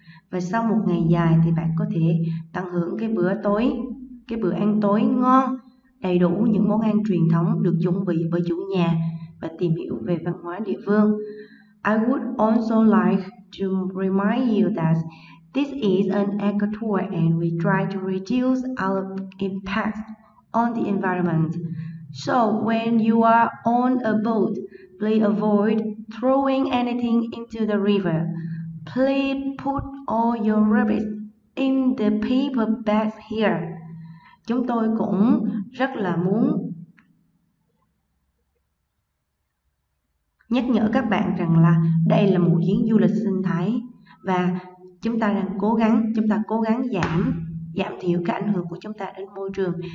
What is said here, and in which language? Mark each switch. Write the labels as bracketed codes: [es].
[vi] Và sau một ngày dài thì bạn có thể tận hưởng cái bữa ăn tối ngon, đầy đủ những món ăn truyền thống được chuẩn bị bởi chủ nhà và tìm hiểu về văn hóa địa phương. [en] I would also like to remind you that this is an eco tour and we try to reduce our impact on the environment. So when you are on a boat, please avoid throwing anything into the river. Please put all your rubbish in the paper bag here. [vi] Chúng tôi cũng rất là muốn nhắc nhở các bạn rằng là đây là một chuyến du lịch sinh thái và chúng ta đang cố gắng, giảm thiểu cái ảnh hưởng của chúng ta đến môi trường.